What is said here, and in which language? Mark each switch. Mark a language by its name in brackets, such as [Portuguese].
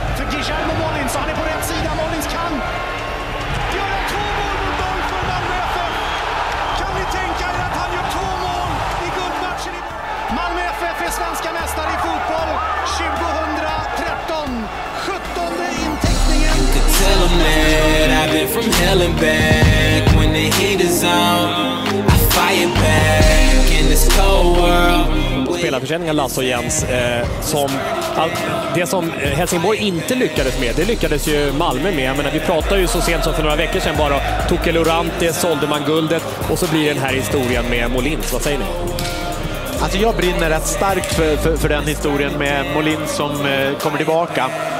[Swedish] Guillermo Molins, han är på rätt sida. Molins kan göra två mål mot Borås för Malmö FF. Kan ni tänka er att han gör två mål i guldmatchen? Malmö FF är svenska mästare i fotboll 2013. 17:e inteckningen. [English] You can tell them that I've been from hell and back. When the heat is on, I fire back in this cold world. [Swedish] Spelarförsäljningen Lasse och Jens, som det som Helsingborg inte lyckades med, det lyckades ju Malmö med. Men vi pratade ju så sent som för några veckor sedan bara, Tuke Lorante, sålde man guldet och så blir den här historien med Molins. Vad säger ni? Alltså jag brinner rätt starkt för den historien med Molins som kommer tillbaka.